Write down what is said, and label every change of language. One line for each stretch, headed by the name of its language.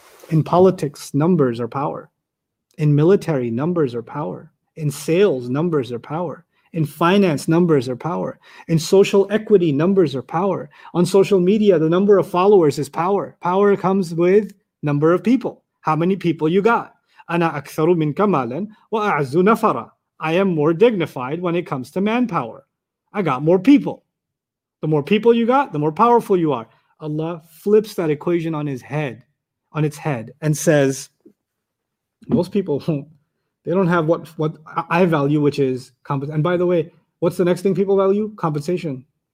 English: In politics, numbers are power. In military, numbers are power. In sales, numbers are power. In finance, numbers are power. In social equity, numbers are power. On social media, the number of followers is power. Power comes with number of people. How many people you got?
Arabic: أنا أكثر منك مالا وأعز نفرا.
English: I am more dignified when it comes to manpower. I got more people. The more people you got, the more powerful you are. Allah flips that equation on its head and says, most people, they don't have what I value, which is compensation. And by the way, what's the next thing people value? Compensation.